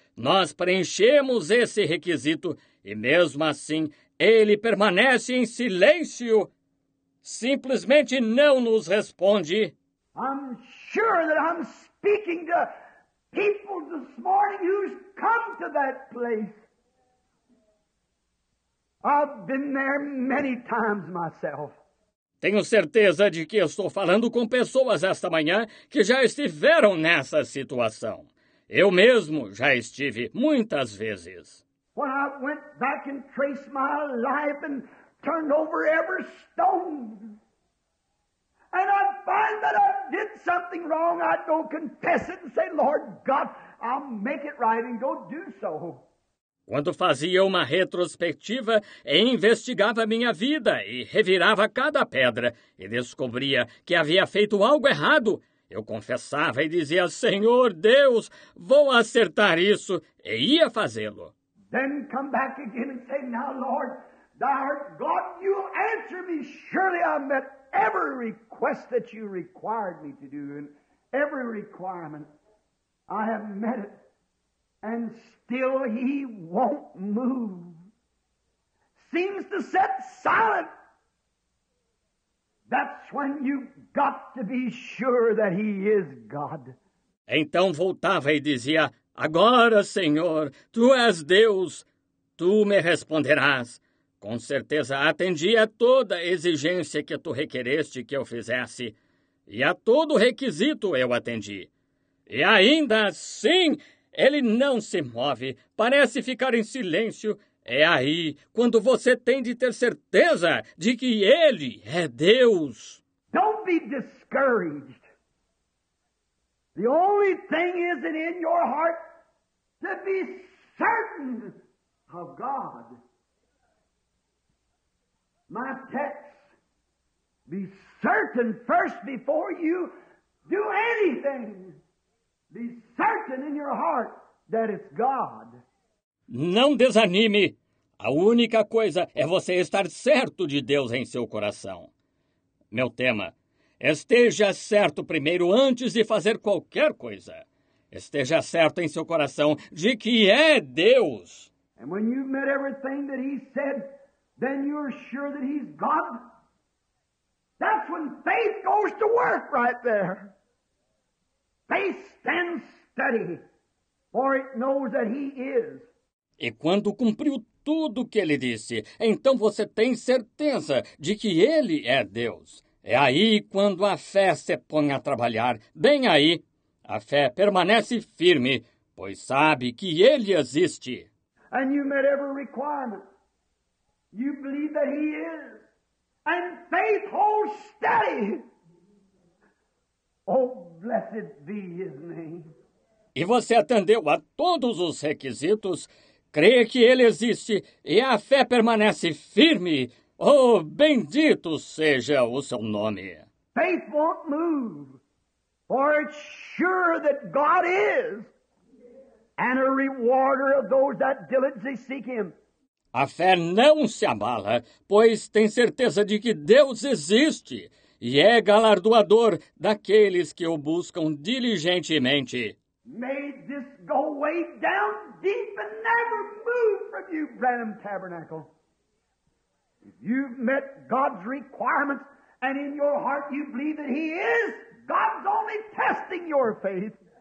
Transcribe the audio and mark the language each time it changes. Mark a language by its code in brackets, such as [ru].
[pt] Nós preenchemos esse requisito e mesmo assim Ele permanece em silêncio. Simplesmente não nos responde. [en] I'm sure that I'm speaking to people this morning who's come to that place. I've been there many times myself. [pt] Tenho certeza de que estou falando com pessoas esta manhã que já estiveram nessa situação. Eu mesmo já estive muitas vezes. [en] When I went back and traced my life and turned over every stone. And I find that I did something wrong, I go confess it and say, Lord God, I'll make it right and go do so. [pt] Quando fazia uma retrospectiva e investigava minha vida e revirava cada pedra e descobria que havia feito algo errado, eu confessava e dizia, Senhor Deus, vou acertar isso e ia fazê-lo. [en] Then come back again and say, now Lord, Thou art God, you answer me. Surely I met every request that you required me to do, and every requirement I have met it, and still He won't move. Seems to sit silent. That's when you've got to be sure that He is God. [pt] Então voltava e dizia, agora, Senhor, Tu és Deus, Tu me responderás. Com certeza atendi a toda exigência que tu requereste que eu fizesse. E a todo requisito eu atendi. E ainda assim, ele não se move, parece ficar em silêncio. É aí quando você tem de ter certeza de que ele é Deus. [en] Don't be discouraged. The only thing is that in your heart to be certain of God. My text, be certain first before you do anything Be certain in your heart that it's God. [pt] Não desanime. A única coisa é você estar certo de Deus em seu coração. Meu tema, esteja certo primeiro antes de fazer qualquer coisa. Esteja certo em seu coração de que é Deus. [en] And when you've met everything that he said, then you're sure that he's God. That's when faith goes to work right there. Faith stands steady, for it knows that he is. [pt] E quando cumpriu tudo o que ele disse, então você tem certeza de que ele é Deus. É aí quando a fé se põe a trabalhar, bem aí. A fé permanece firme, pois sabe que ele existe. [en] And you met every requirement. You believe that he is. And faith holds steady. Oh, blessed be his name. [pt] E você atendeu a todos os requisitos, crê que ele existe e a fé permanece firme. Oh, bendito seja o seu nome. [en] Faith won't move, for it's sure that God is. And a rewarder of those that diligently seek him. [pt] A fé não se abala, pois tem certeza de que Deus existe e é galardoador daqueles que o buscam diligentemente. [en] May this go way down deep and never move from you, Branham Tabernacle. If you've met God's requirements and in your heart you believe that he is, God's only testing your faith.